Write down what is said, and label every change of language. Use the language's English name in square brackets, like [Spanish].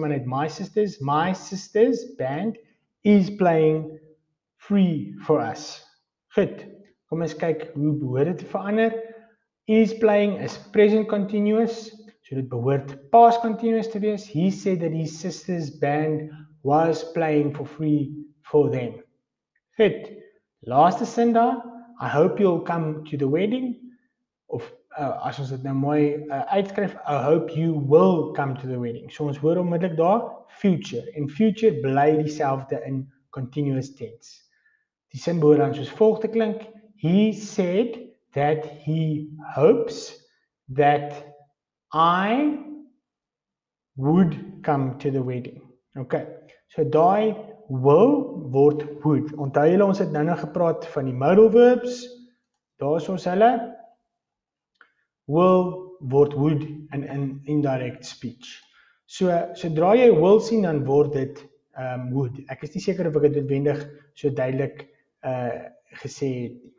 [English] My sister's band is playing free for us. [Afrikaans] Goed, kom eens kyk hoe behoort dit te verander. [English] Is playing is present continuous, [Afrikaans] so dit behoort past continuous te wees. [English] He said that his sister's band was playing for free for them. [Afrikaans] Goed, laaste sin daar, [English] I hope you'll come to the wedding, [Afrikaans] of as ons dit nou mooi uitskryf, [English] I hope you will come to the wedding. [Afrikaans] So ons hoor onmiddellik daar, future, en future bly dieselfde in continuous tense. Die sin behoort dan soos volg te klink, [English] he said that he hopes that I would come to the wedding. [Afrikaans] Okay, so die will word would. Onthou julle, ons het nou gepraat van die modal verbs. Daar is ons hulle. [English] Will word would in indirect speech. [Afrikaans] So, sodra jy will sien, dan word dit would. Ek is nie seker of ek dit noodwendig so duidelik gesê het.